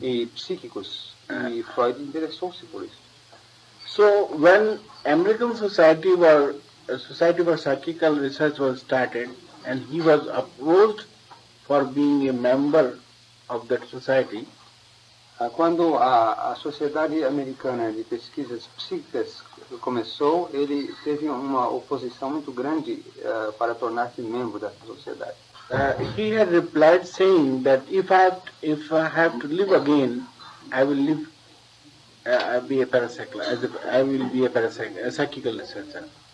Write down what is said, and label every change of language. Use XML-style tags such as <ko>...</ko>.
<pt>E psíquicos, e Freud interessou-se por isso.</pt> <en>So when American Society for Psychical Research was started, and he was approached for being a member of that society.</en> <pt>Quando a Sociedade Americana de Pesquisas Psíquicas começou, ele teve uma oposição muito grande para tornar-se membro da sociedade.</pt> <en>He had replied saying that if I have to live again, I will live psychical researcher.</en>